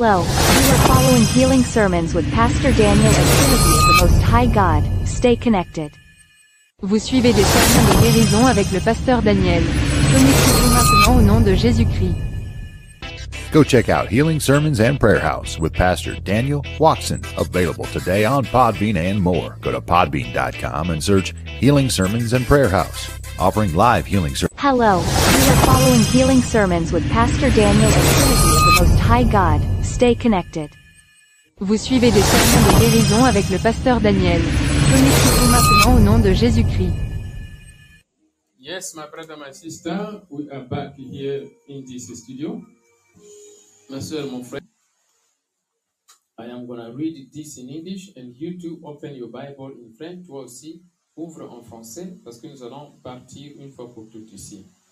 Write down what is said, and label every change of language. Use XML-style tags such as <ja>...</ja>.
<en>You are following Healing Sermons with Pastor Daniel at Trinity of the Most High God. Stay connected.</en> <fr>Vous suivez des sermons de guérison avec le pasteur Daniel. Connectez-vous maintenant au nom de Jésus-Christ.</fr> <en>Go check out Healing Sermons and Prayer House with Pastor Daniel Ouakson. Available today on Podbean and more. Go to podbean.com and search Healing Sermons and Prayer House. Offering live healing sermons. Hello. You are following Healing Sermons with Pastor Daniel at Trinity of the Most High God. Stay connected.</en> <fr>Vous suivez des sermons de guérison avec le pasteur Daniel. Connectez-vous maintenant au nom de Jésus-Christ.</fr> <en>Yes, my brother, my sister, we are back here in this studio.</en> <fr>Ma soeur, mon frère,</fr> <en>I am going to read this in English and you two open your Bible in French.</en> <fr>Toi aussi, ouvre en français parce que nous allons partir une fois pour toutes ici.</fr>